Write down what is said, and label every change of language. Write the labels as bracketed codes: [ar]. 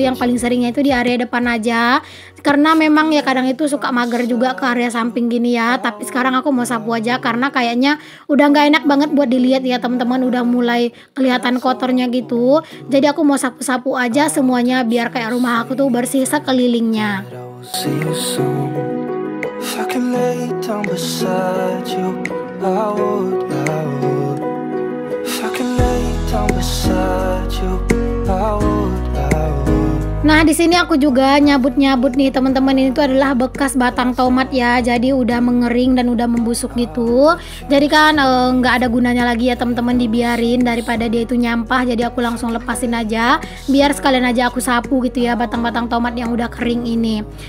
[id] Yang paling seringnya itu di area depan aja. Karena memang ya kadang itu suka mager juga ke area samping gini ya. Tapi sekarang aku mau sapu aja karena kayaknya udah gak enak banget buat dilihat ya, teman-teman. Udah mulai kelihatan kotornya gitu. Jadi aku mau sapu-sapu aja semuanya biar kayak rumah aku tuh bersih sekelilingnya. [en] If I could lay down beside you, I would, I would. If I could lay down beside you, I would, I would. [id] Nah, di sini aku juga nyabut-nyabut nih, teman-teman. Ini tuh adalah bekas batang tomat ya. Jadi udah mengering dan udah membusuk gitu. Jadi kan enggak ada gunanya lagi ya, teman-teman, dibiarin daripada dia itu nyampah. Jadi aku langsung lepasin aja biar sekalian aja aku sapu gitu ya batang-batang tomat yang udah kering ini.